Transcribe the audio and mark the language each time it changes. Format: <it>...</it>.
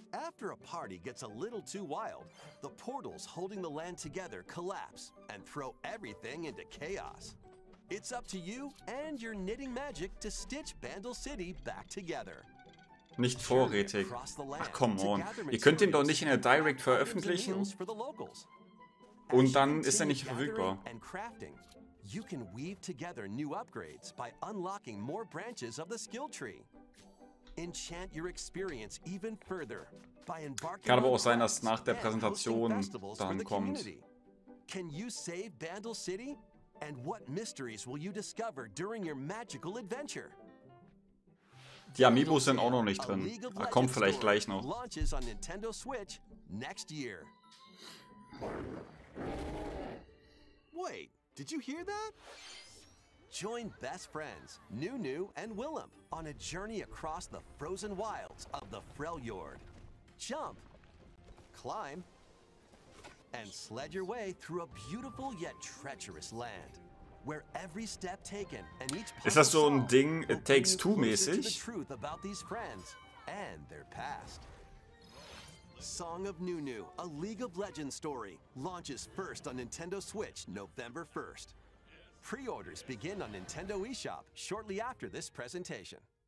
<en>After a party gets a little too wild, the portals holding the land together collapse and throw everything into chaos. It's up to you and your knitting magic to stitch Bandel City back together.</en> <de>Nicht vorrätig. Ach,</de> <en>come on.</en> <de>Ihr könnt ihn doch nicht in der Direct veröffentlichen. Und dann ist nicht verfügbar.</de> <en>And crafting, you can weave together new upgrades by unlocking more branches of the skill tree. Enchant your experience even further by embarking.</en> <de>Kann aber auch sein, dass nach der Präsentation dann kommt.</de> <en>Can you save Bandel City? And what mysteries will you discover during your magical adventure?</en> <de>Die Amiibo sind auch noch nicht drin. Er kommt vielleicht gleich noch.</de> <en>Launches on Nintendo Switch next year. Wait, did you hear that? Join best friends, Nunu and Willem, on a journey across the frozen wilds of the Freljord. Jump, climb, and sled your way through a beautiful yet treacherous land, where every step taken and each path.</en> <de>Ist das so ein Ding, It Takes Two mäßig?</de> <en>The truth about these friends and their past. Song of Nunu, a League of Legends story, launches first on Nintendo Switch November 1st. Pre-orders begin on Nintendo eShop shortly after this presentation.</en>